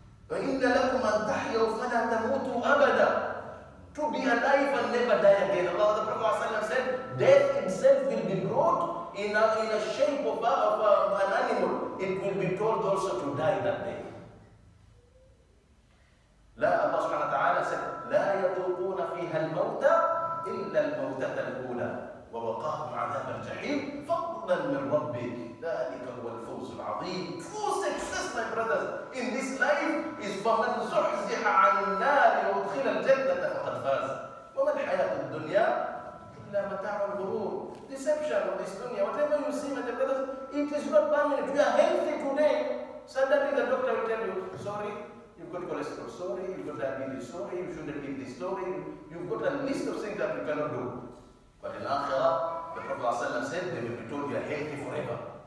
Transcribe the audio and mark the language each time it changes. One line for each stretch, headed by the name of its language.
Arabic: وَإِنَّ لَكُمْ أَن تَحْيَوْ فَلَا تَمُوتُوا أَبَدًا.
English: To be alive and never die again. Allah, the Prophet said, death itself will be brought in a shape of an animal. It will be told also to die that day.
Arabic: لا,
English: Allah subhanahu wa ta'ala said,
Arabic: لا يذوقون فيها الموت إلا الموتة الأولى ووقاهم عذاب الجحيم فضلا من ربك ذلك هو الفوز العظيم.
English: Full success, my brothers, in this life is
Arabic: فمن زحزح عن النار وادخل الجنة فقد فاز. وما الحياة الدنيا إلا متاع الغرور.
English: Deception of this dunya, whatever you see, my brothers, it is not permanent. We are healthy today. Suddenly the doctor will tell you, sorry, you've got cholesterol, sorry, you've got diabetes, sorry, you shouldn't eat this, sorry, you've got a list of things that you cannot do. But in Akhirah, the Prophet said, they will be told you are healthy forever.